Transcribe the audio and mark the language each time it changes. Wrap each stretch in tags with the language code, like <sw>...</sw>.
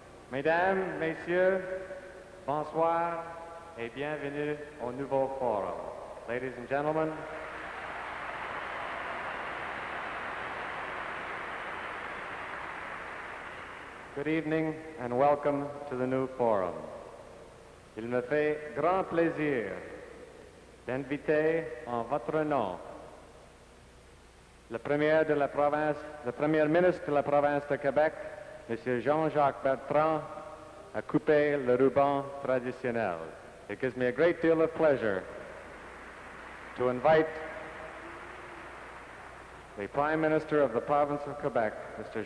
<fr>Mesdames, Messieurs, bonsoir et bienvenue au nouveau forum.</fr> <en>Ladies and gentlemen, good evening and welcome to the new forum.</en> <fr>Il me fait grand plaisir d'inviter en votre nom le premier de la province, le premier ministre de la province de Québec, Monsieur Jean-Jacques Bertrand, à couper le ruban traditionnel.</fr> <en>It gives me a great deal of pleasure to invite the Prime Minister of the Province of Quebec, Mr.</en>